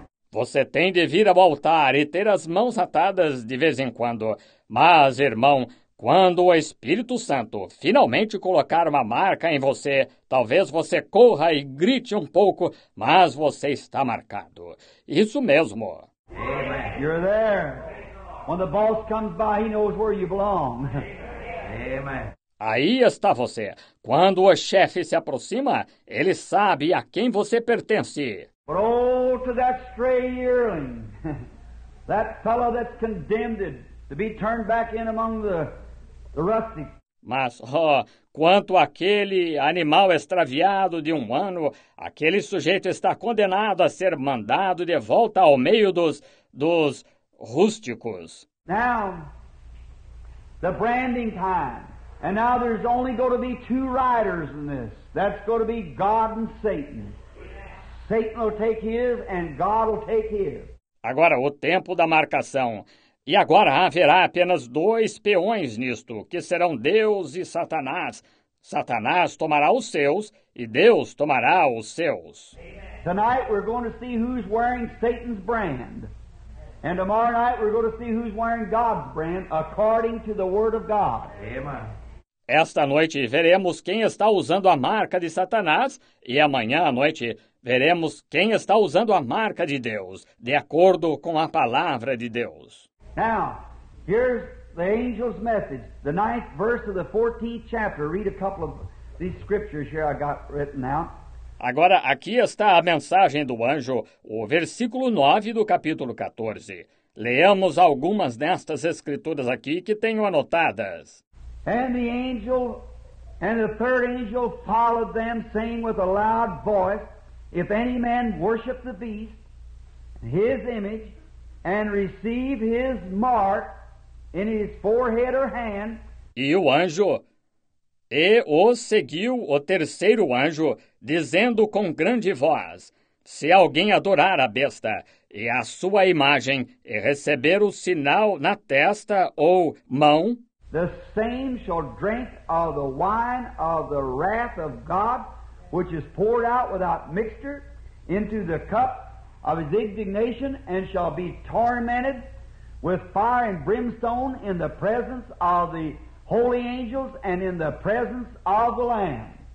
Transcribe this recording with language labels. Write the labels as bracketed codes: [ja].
[pt] Você tem de vir ao altar e ter as mãos atadas de vez em quando. Mas, irmão, quando o Espírito Santo finalmente colocar uma marca em você, talvez você corra e grite um pouco, mas você está marcado. Isso mesmo. [en] Amen. You're there. When the boss comes by, he knows where you belong. Amen. [pt] Aí está você. Quando o chefe se aproxima, ele sabe a quem você pertence. [en] But oh, to that stray yearling, that fellow that's condemned to be turned back in among the rusty. [pt] Mas, oh, quanto àquele animal extraviado de um ano, aquele sujeito está condenado a ser mandado de volta ao meio dos rústicos. [en] Now, the branding time. And now there's only going to be two riders in this. That's going to be God and Satan. Satan will take his and God will take his. [pt] Agora, o tempo da marcação. E agora haverá apenas dois peões nisto, que serão Deus e Satanás. Satanás tomará os seus e Deus tomará os seus. [en] Tonight we're going to see who's wearing Satan's brand. And tomorrow night we're going to see who's wearing God's brand according to the word of God. Amen. [pt] Esta noite veremos quem está usando a marca de Satanás e amanhã à noite veremos quem está usando a marca de Deus, de acordo com a palavra de Deus. [en] Now, here's the angel's message, the ninth verse of the 14th chapter. Read a couple of these scriptures here I got written out. [pt] Agora, aqui está a mensagem do anjo, o versículo 9 do capítulo 14. Leamos algumas destas escrituras aqui que tenho anotadas. [en] And the angel, and the third angel followed them, saying with a loud voice, if any man worship the beast, his image, and receive his mark in his forehead or hand. [pt] E o anjo, e o seguiu o terceiro anjo, dizendo com grande voz, se alguém adorar a besta e a sua imagem e receber o sinal na testa ou mão, [en] the same shall drink of the wine of the wrath of God, which is poured out without mixture into the cup of his indignation, and shall be tormented with fire and brimstone in the presence of the holy angels and in the presence of the Lamb.